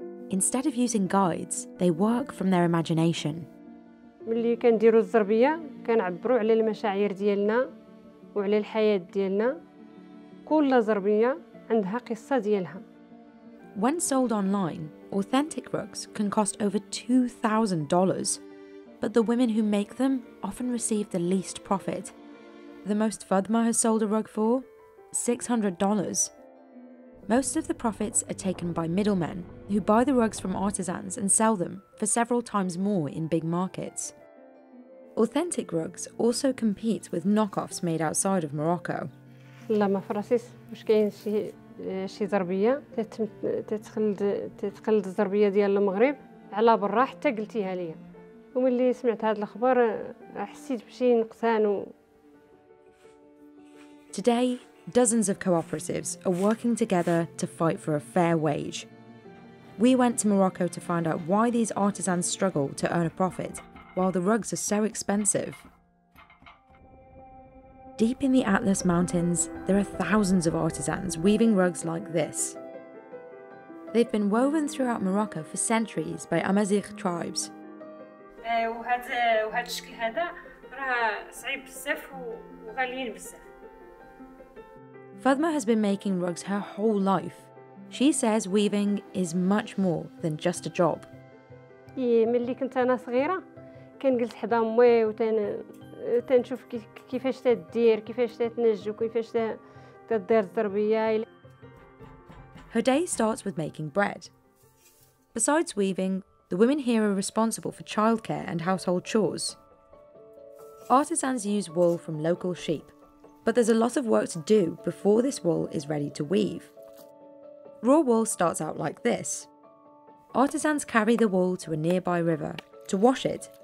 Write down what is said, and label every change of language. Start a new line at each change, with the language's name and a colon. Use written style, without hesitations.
English: Instead of using guides, they work from their imagination.
Arabic: ملي كنديروا الزربيه كنعبروا على المشاعر ديالنا وعلى الحياه ديالنا كل زربيه عندها قصه ديالها.
English: When sold online, authentic rugs can cost over $2,000, but the women who make them often receive the least profit. The most Fadma has sold a rug for $600. Most of the profits are taken by middlemen who buy the rugs from artisans and sell them for several times more in big markets. Authentic rugs also compete with knockoffs made outside of Morocco.
Arabic: لا ما فراسيس واش كاين شي زربيه تتقلد الزربيه ديال المغرب على برا حتى قلتيها ليا وملي سمعت هذه الاخبار حسيت بشي نقصان.
English: Today, dozens of cooperatives are working together to fight for a fair wage. We went to Morocco to find out why these artisans struggle to earn a profit while the rugs are so expensive. Deep in the Atlas Mountains, there are thousands of artisans weaving rugs like this. They've been woven throughout Morocco for centuries by Amazigh tribes. Fadma has been making rugs her whole life. She says weaving is much more than just a job.
Arabic: كان قلت حدا امي وتنشوف كيفاش تدير كيفاش تنج وكيفاش تدير الزربيه.
English: Her day starts with making bread. Besides weaving, the women here are responsible for childcare and household chores. Artisans use wool from local sheep, but there's a lot of work to do before this wool is ready to weave. Raw wool starts out like this. Artisans carry the wool to a nearby river to wash it